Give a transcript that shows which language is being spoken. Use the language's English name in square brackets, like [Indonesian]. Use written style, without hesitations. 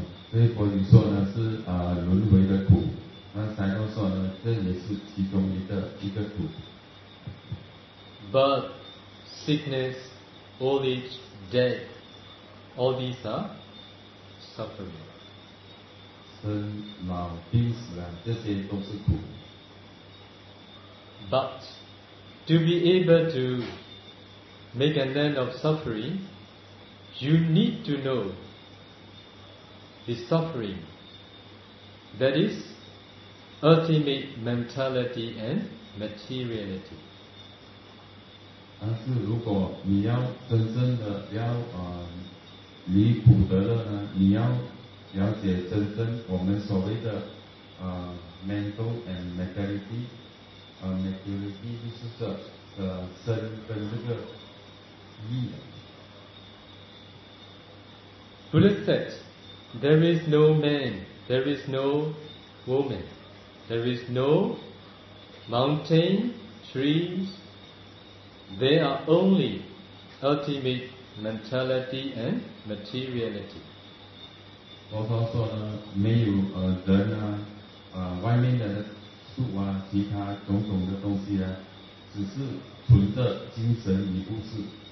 [Chinese] 所以佛经说呢是轮回的苦，那三藏说呢这也是其中一个苦。 [English] Birth, sickness, old age, death, all these are suffering. [Chinese] 生老病死啊，这些都是苦。 [English] But to be able to make an end of suffering. You need to know the suffering that is ultimate mentality and materiality. [Chinese] 但是如果你要真正的要离苦得乐呢，你要了解真正我们所谓的 [English] mental and materiality， materiality [Chinese] 就是这身跟这个意。 [English] Buddha said, there is no man, there is no woman, there is no mountain, trees, they are only ultimate mentality and materiality. [Chinese] 佛陀说呢，没有人啊，外面的树啊，其他种种的东西啊，只是纯的精神与物质。